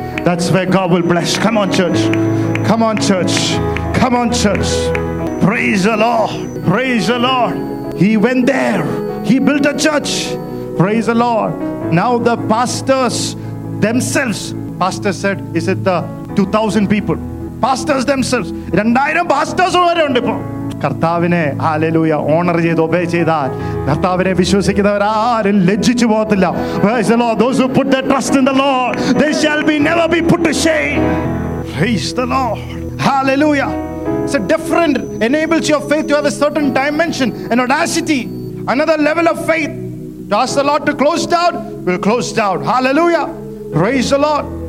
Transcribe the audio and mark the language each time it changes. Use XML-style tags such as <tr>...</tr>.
<en>That's where God will bless. Come on, church. Come on, church. Come on, church. Praise the Lord. Praise the Lord. He went there. He built a church. Praise the Lord. Now the pastors themselves, pastor said, is it the 2,000 people? Pastors themselves. 2,000 pastors already on the board.</en> <ml>കർത്താവിനെ hallelujah owner ചെയ്ത് obey ചെയ്താൽ കർത്താവിനെ വിശ്വസിക്കുന്നവർ ആരും ലജ്ജിച്ചു പോകത്തില്ല.</ml> <en>Praise the Lord. Those who put their trust in the Lord, they shall be never be put to shame. Praise the Lord. Hallelujah. It's a different enables your faith to have a certain dimension and audacity, another level of faith. To ask the Lord to close down, we'll close down. Hallelujah. Praise the Lord.</en>